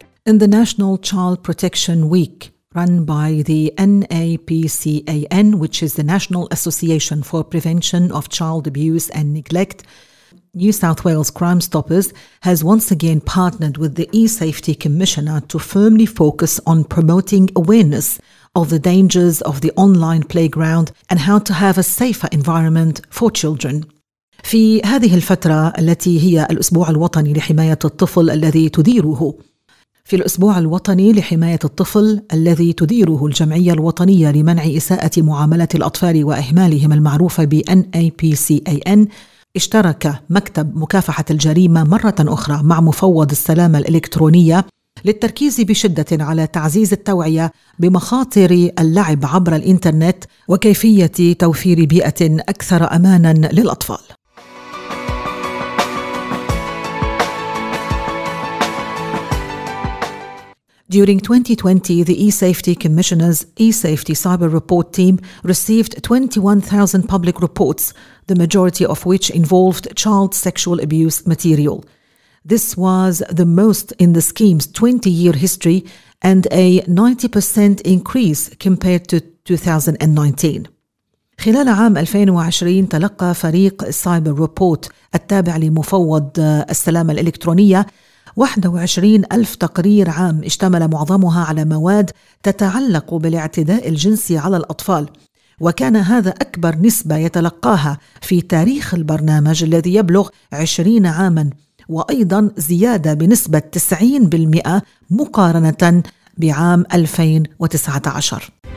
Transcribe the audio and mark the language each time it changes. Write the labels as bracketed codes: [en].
[en] In the National Child Protection Week run by the NAPCAN, which is the National Association for Prevention of Child Abuse and Neglect, New South Wales Crime Stoppers has once again partnered with the eSafety Commissioner to firmly focus on promoting awareness of the dangers of the online playground and how to have a safer environment for children. [ar] في هذه الفترة التي هي الأسبوع الوطني لحماية الطفل الذي تديره الجمعية الوطنية لمنع إساءة معاملة الأطفال وإهمالهم المعروفة بـ NAPCAN، اشترك مكتب مكافحة الجريمة مرة أخرى مع مفوض السلامة الإلكترونية للتركيز بشدة على تعزيز التوعية بمخاطر اللعب عبر الإنترنت وكيفية توفير بيئة أكثر أماناً للأطفال. [en] During 2020, the eSafety Commissioner's eSafety Cyber Report Team received 21,000 public reports, the majority of which involved child sexual abuse material. This was the most in the scheme's 20-year history and a 90% increase compared to 2019. [ar] خلال عام 2020 تلقى فريق سايبر ريبورت التابع لمفوض السلامة الإلكترونية 21 ألف تقرير عام اشتمل معظمها على مواد تتعلق بالاعتداء الجنسي على الأطفال، وكان هذا أكبر نسبة يتلقاها في تاريخ البرنامج الذي يبلغ 20 عاما، وأيضا زيادة بنسبة 90% مقارنة بعام 2019.